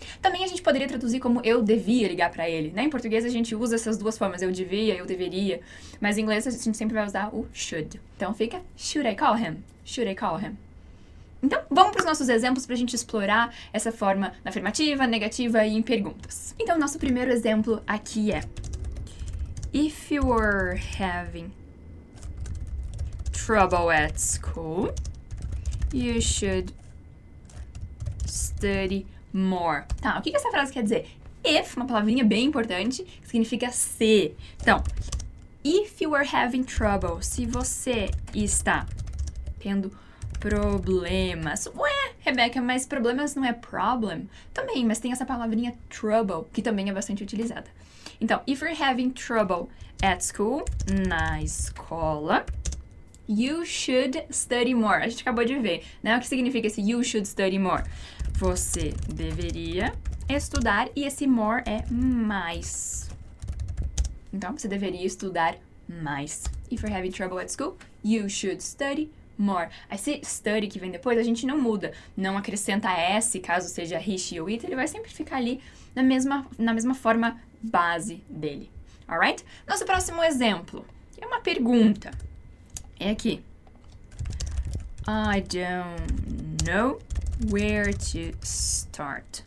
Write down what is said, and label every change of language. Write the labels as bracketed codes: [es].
[pt] Também a gente poderia traduzir como eu devia ligar pra ele, né? Em português a gente usa essas duas formas, eu devia, eu deveria. Mas em inglês a gente sempre vai usar o should. Então fica, [en] should I call him? [pt] Should I call him? Então, vamos pros nossos exemplos pra gente explorar essa forma na afirmativa, negativa e em perguntas. Então, nosso primeiro exemplo aqui é... [en] If you were having trouble at school, you should study... [pt] more. Tá, o que essa frase quer dizer? If, uma palavrinha bem importante, significa se. Então, [en] if you are having trouble, [pt] se você está tendo problemas. Ué, Rebeca, mas problemas não é problem? Também, mas tem essa palavrinha trouble, que também é bastante utilizada. [en] Então, if you're having trouble at school, [pt] na escola, [en] you should study more. [pt] A gente acabou de ver, né? O que significa esse [en] you should study more? [pt] Você deveria estudar, e esse more é mais. Então, você deveria estudar mais. [en] If you're having trouble at school, you should study more. [pt] Esse study que vem depois, a gente não muda. Não acrescenta S, caso seja he, she ou it. Ele vai sempre ficar ali na mesma forma base dele. Alright? Nosso próximo exemplo. É uma pergunta. É aqui. [en] I don't know where to start.